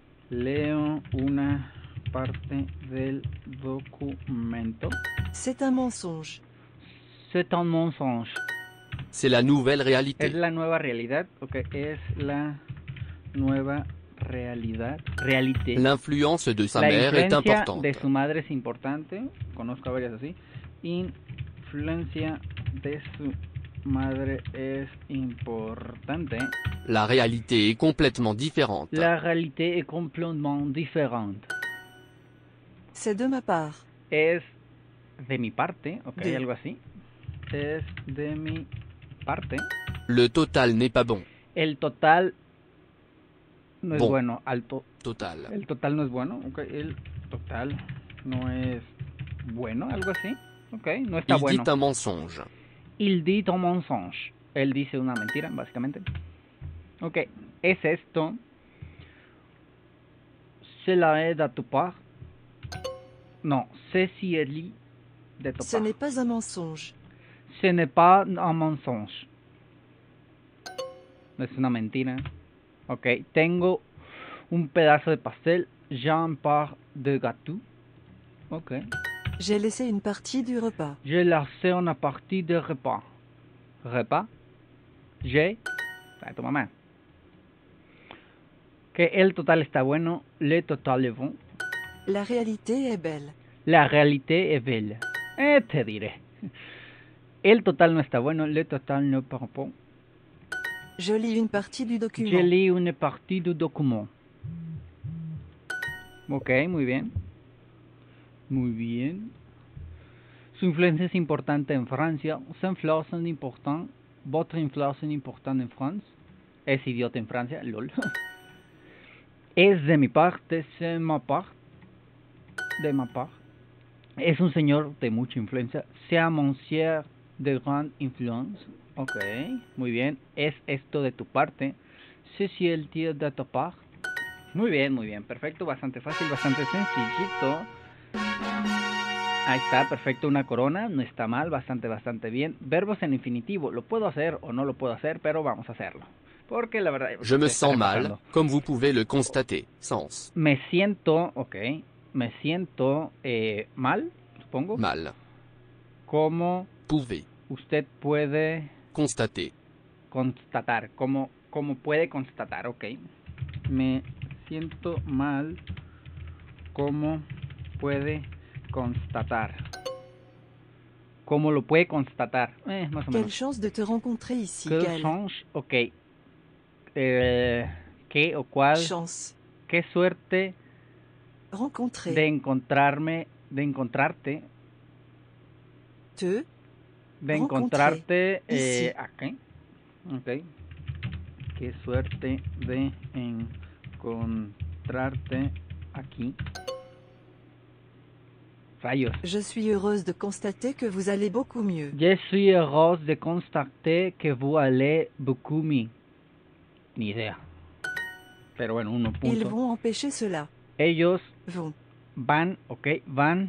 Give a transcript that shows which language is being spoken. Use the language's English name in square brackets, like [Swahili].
[Spanish] Leo una parte del documento. [French] C'est un mensonge. C'est un mensonge. C'est la nouvelle réalité. [Spanish] Es la nueva realidad, ok. Es la nueva realidad. Realité. [French] L'influence de sa mère est importante. [Spanish] De su madre es importante. Conozco a varias así. Influencia de su madre es importante. [French] La réalité est complètement différente. La réalité est complètement différente. C'est de ma part. [Spanish] Es de mi parte, ok. De... algo así. Es de mi parte. [French] Le total n'est pas bon. [Spanish] El total no es bueno. Alto. [French] Total. [Spanish] El total no es bueno. Okay. El total no es bueno. Algo así. Okay. No está [French] Il [Spanish] bueno. [French] Il dit un mensonge. Il dit un mensonge. [Spanish] Él dice una mentira, básicamente. Okay. Es esto. [French] Cela est de tu part. No. Ceci est dit de tu part. Ce n'est pas un mensonge. Ce n'est pas un mensonge. [Spanish] No es una mentira. Ok, tengo un pedazo de pastel. [French] J'ai un part de gâteau. Ok. J'ai laissé une partie du repas. J'ai laissé une partie de repas. [Spanish] Repas. J'ai. Ah, toma más. Que el total está bueno. [French] Le total est bon. La réalité est belle. La réalité est belle. [Spanish] Te diré. El total no está bueno. [French] Le total no est bon. Je lis une partie du document. Je lis une partie du document. [Spanish] Ok, muy bien. Muy bien. Su influencia es importante en Francia. Su influencia es importante. Votre influencia es importante en France. Es idiota en Francia. Lol. Es de mi parte. [French] C'est ma part. De ma part. [Spanish] Es un señor de mucha influencia. [French] C'est un monsieur de grande influence. [Spanish] Ok, muy bien. ¿Es esto de tu parte? Sí, sí, el tío de tu parte. Muy bien, perfecto. Bastante fácil, bastante sencillito. Ahí está, perfecto. Una corona, no está mal, bastante, bastante bien. Verbos en infinitivo. Lo puedo hacer o no lo puedo hacer, pero vamos a hacerlo. Porque la verdad... [French] Je me sens mal, comme vous pouvez le constater. Sens. [Spanish] Me siento, ok. Me siento mal, supongo. Mal. ¿Cómo? [French] Pouvez. [Spanish] Usted puede... [French] constater. [Spanish] Constatar. ¿Cómo puede constatar? Ok. Me siento mal. ¿Cómo puede constatar? ¿Cómo lo puede constatar? Más o menos. [French] Quelle chance de te rencontrer ici, [Spanish] Gael. [French] Quelle chance. [Spanish] Ok. ¿Qué o cuál? [French] Chance. [Spanish] ¿Qué suerte? [French] Rencontrer. [Spanish] De encontrarme, de encontrarte. Te... de encontrarte aquí. Okay. Qué suerte de encontrarte aquí. Rayos. [French] Je suis heureuse de constater que vous allez beaucoup mieux. Je suis heureuse de constater que vous allez beaucoup mieux. [Spanish] Ni idea. Pero bueno, uno punto. [French] Ils vont empêcher cela. [Spanish] Ellos [French] vont. [Spanish] Van, okay, van